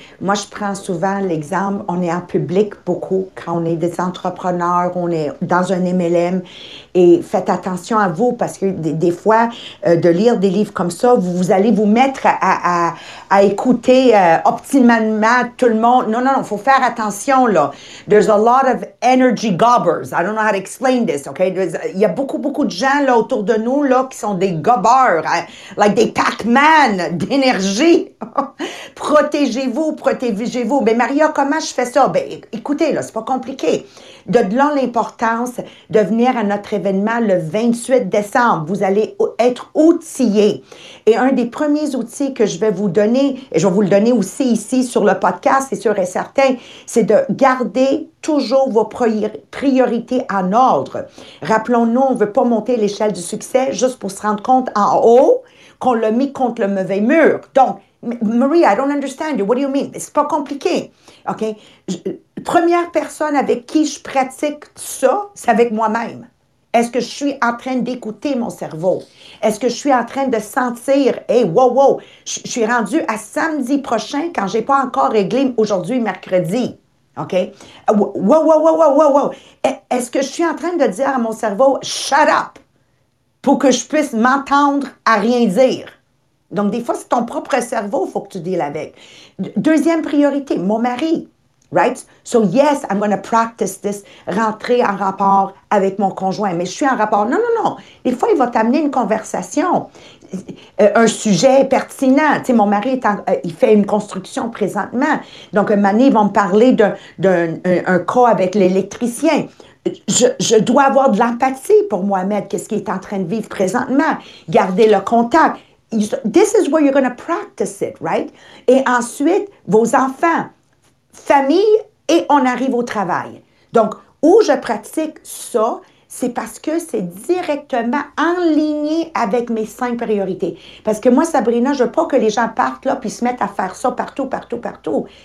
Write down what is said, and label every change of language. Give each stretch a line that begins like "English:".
French: Moi, je prends souvent l'exemple, on est en public beaucoup, quand on est des entrepreneurs, on est dans un MLM, et faites attention à vous, parce que des fois, de lire des livres comme ça, vous allez vous mettre à écouter optimalement tout le monde. Non, non, non, il faut faire attention, là.
English: There's a lot of energy gobbers. I don't know how to explain this, OK?
French: Il y a beaucoup, beaucoup de gens là autour de nous là qui sont des gobeurs, like des Pac-Man d'énergie. Protégez-vous, protégez-vous. Mais Maria, comment je fais ça? Ben, écoutez, là, c'est pas compliqué. De là l'importance de venir à notre événement le 28 décembre. Vous allez être outillés. Et un des premiers outils que je vais vous donner, et je vais vous le donner aussi ici sur le podcast, c'est sûr et certain, c'est de garder toujours vos priorités en ordre. Rappelons-nous, on ne veut pas monter l'échelle du succès juste pour se rendre compte en haut qu'on l'a mis contre le mauvais mur.
English: Donc, Marie, I don't understand you. What do you mean?
French: C'est pas compliqué. OK? Première personne avec qui je pratique ça, c'est avec moi-même. Est-ce que je suis en train d'écouter mon cerveau? Est-ce que je suis en train de sentir, hey, wow, je suis rendue à samedi prochain quand je n'ai pas encore réglé aujourd'hui, mercredi. OK? Wow. Est-ce que je suis en train de dire à mon cerveau,
English: shut up,
French: pour que je puisse m'entendre à rien dire? Donc, des fois, c'est ton propre cerveau, il faut que tu deales avec. Deuxième priorité, mon mari.
English: Right? So, yes, I'm going to practice this,
French: rentrer en rapport avec mon conjoint. Mais je suis en rapport. Non, non, non. Des fois, il va t'amener une conversation, un sujet pertinent. Tu sais, mon mari, il fait une construction présentement. Donc, Mané, ils vont me parler d'un cas avec l'électricien. Je dois avoir de l'empathie pour Mohamed, qu'est-ce qu'il est en train de vivre présentement, garder le contact.
English: This is where you're going to practice it, right?
French: Et ensuite, vos enfants, famille, et on arrive au travail. Donc, où je pratique ça, c'est parce que c'est directement aligné avec mes cinq priorités. Parce que moi, Sabrina, je veux pas que les gens partent là puis se mettent à faire ça partout, partout, partout.